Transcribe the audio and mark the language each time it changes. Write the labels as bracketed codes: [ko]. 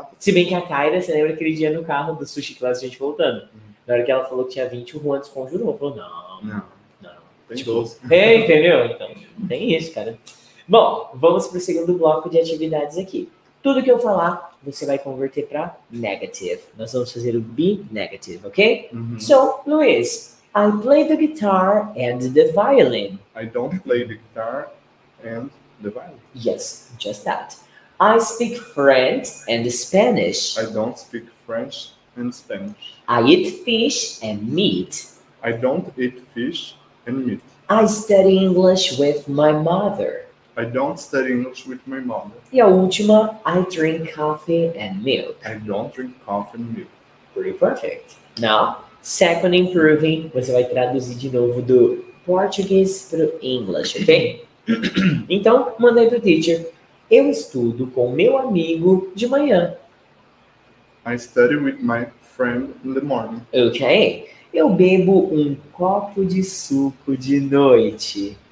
[pt] Se bem que a Kyra, você lembra aquele dia no carro do sushi class, a gente voltando? Uhum. Na hora que ela falou que tinha 20, o Juan desconjurou. Falou, não. Não. Tem 12. É, entendeu? Então, tem isso, cara. Bom, vamos pro segundo bloco de atividades aqui. Tudo que eu falar, você vai converter pra negative. Nós vamos fazer o be negative, ok? Uhum. [en] So, Luiz, I play the guitar and the violin. I don't play the guitar and the violin. Yes, just that. I speak French and Spanish. I don't speak French and Spanish. I eat fish and meat. I don't eat fish and meat. I study English with my mother. I don't study English with my mother. [pt] E a última, [en] I drink coffee and milk. I don't drink coffee and milk. Pretty perfect. Now, second improving, [pt] você vai traduzir de novo do português para o English, ok? Então, manda aí pro teacher. Eu estudo com meu amigo de manhã. [en] I study with my friend in the morning. Ok. [pt] Eu bebo um copo de suco de noite.